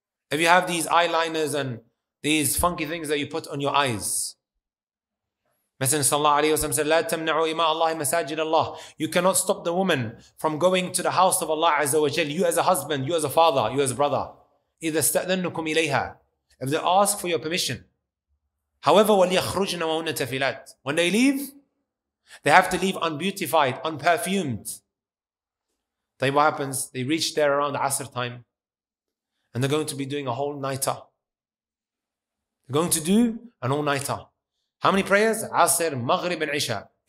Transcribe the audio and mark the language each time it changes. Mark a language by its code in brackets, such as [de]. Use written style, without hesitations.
[en] If you have these eyeliners and these funky things that you put on your eyes. Messenger sallallahu alayhi wa sallam said, [ar] لا تمنعوا إماء الله مساجد الله. [en] You cannot stop the woman from going to the house of Allah Azza wa Jal. You as a husband, you as a father, you as a brother. [ar] إِذَا اسْتَأْذَنُكُمْ إِلَيْهَا. [en] If they ask for your permission. However, [ar] وَلْيَخْرُجْنَ وَهُنَّ تَفِلَاتْ. [en] When they leave, they have to leave unbeautified, unperfumed. Then what happens? They reach there around Asr time. And they're going to be doing a whole nighter. They're going to do an all nighter. How many prayers? Asr, Maghrib, and Isha.